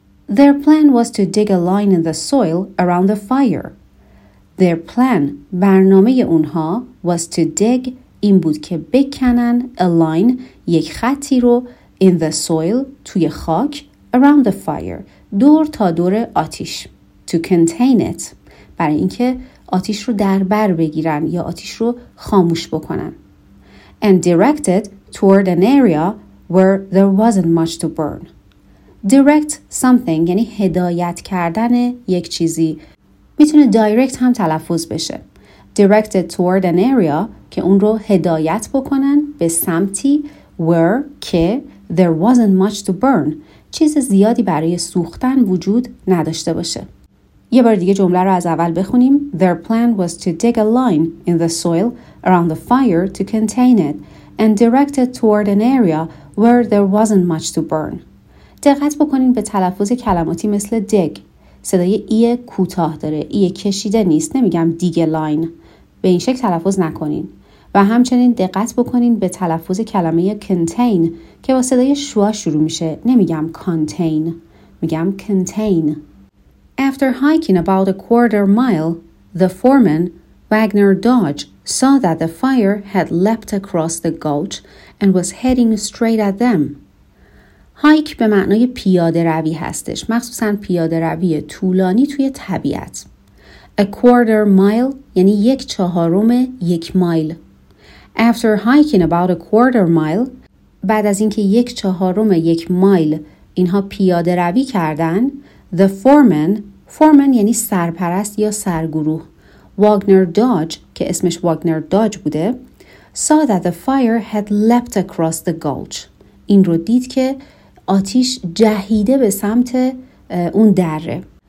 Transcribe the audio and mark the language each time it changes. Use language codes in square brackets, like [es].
[en] Their plan was to dig a line in the soil around the fire. Their plan، [fa] برنامه اونها، [en] was to dig، [fa] این بود که بکنن [en] a line، [fa] یک خطی رو، [en] in the soil، [fa] توی خاک، [en] around the fire، [fa] دور تا دور آتیش، [en] to contain it، [fa] برای اینکه آتیش رو در بر بگیرن یا آتیش رو خاموش بکنن. [en] And directed toward an area where there wasn't much to burn. [fa] Direct something یعنی هدایت کردن یک چیزی، میتونه direct هم تلفظ بشه. [en] Directed toward an area [fa] که اون رو هدایت بکنن به سمتی where که [en] there wasn't much to burn، [fa] چیز زیادی برای سوختن وجود نداشته باشه. یه بار دیگه جمله رو از اول بخونیم. [en] Their plan was to dig a line in the soil around the fire to contain it and direct it toward an area where there wasn't much to burn. [fa] دقت بکنین به تلفظ کلماتی مثل dig. صدای ای کوتاه داره، ای کشیده نیست، نمیگم دیگه لاین، به این شکل تلفظ نکنین. و همچنین دقت بکنین به تلفظ کلمه contain که با صدای شوا شروع میشه. نمیگم contain، میگم contain. [en] After hiking about a quarter mile, the foreman, Wagner Dodge, saw that the fire had leapt across the gulch and was heading straight at them. [fa] هایک به معنای پیاده روی هستش، مخصوصا پیاده روی طولانی توی طبیعت. A quarter mile یعنی یک چهارم یک مایل. [en] After hiking about a quarter mile، [fa] بعد از اینکه یک چهارم یک مایل اینها پیاده روی کردن، [en] the foreman، [fa] foreman یعنی سرپرست یا سرگروه، واگنر داج که اسمش واگنر داج بوده، [en] saw that the fire had leapt across the gulch، [fa] این رو دید که آتیش جهیده به سمت اون دره.